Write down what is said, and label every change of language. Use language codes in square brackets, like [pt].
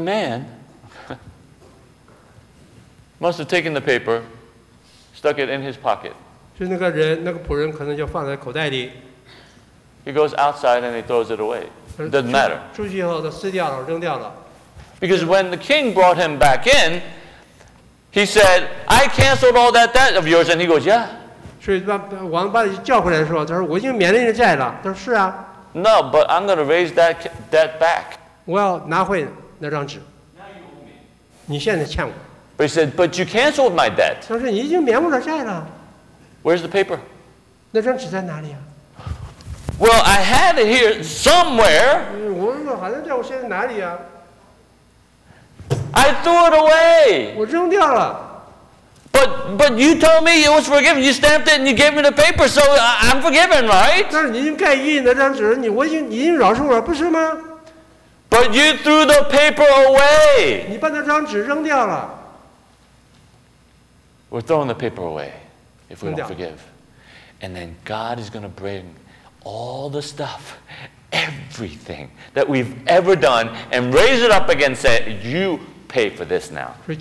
[en] The man must have taken the paper, stuck it in his pocket. [zh] 就那个人,那个仆人可能就放在口袋里。 [en] He goes outside and he throws it away. Doesn't matter. [zh] 出去以后都撕掉了,扔掉了。 [en] Because when the king brought him back in, he said, I canceled all that debt of yours. And he goes, yeah. [zh] 所以王把他叫回来的时候,他说,我已经免了你的债了。他说,是啊。 [en] No, but I'm going to raise that debt back. [zh] 我要拿回那张纸。你现在欠我。 [en] But he said, but you canceled my debt. [zh] 他说,你已经免我的债了。 [en] Where's the paper? [zh] 那张纸在哪里啊? [en] Well, I had it here somewhere. [zh] 我好像在我现在哪里啊? [en] I threw it away. [zh] 我扔掉了。 [en] But you told me it was forgiven. You stamped it and you gave me the paper, so I'm forgiven, right? [zh] 但是你已经盖印那张纸,你已经饶恕了,不是吗? [en] But you threw the paper away. [zh] 你把那张纸扔掉了。 [en] We're throwing the paper away if we don't forgive. And then God is going to bring all the stuff, everything that we've ever done, and raise it up again and say, you pay for this now.